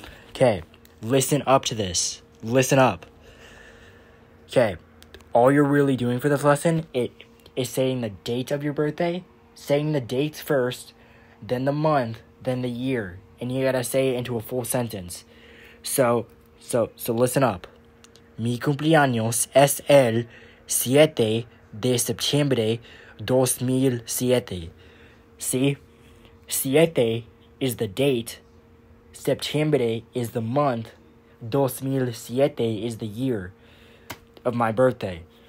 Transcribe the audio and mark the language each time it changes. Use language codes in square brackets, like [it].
[en] Okay, listen up to this. Listen up. Okay, all you're really doing for this lesson is saying the date of your birthday, saying the dates first, then the month, then the year, and you gotta say it into a full sentence. So listen up. [es] Mi cumpleaños es el 7 de septiembre 2007. [en] See? 7 is the date. Septiembre is the month. 2007 is the year of my birthday.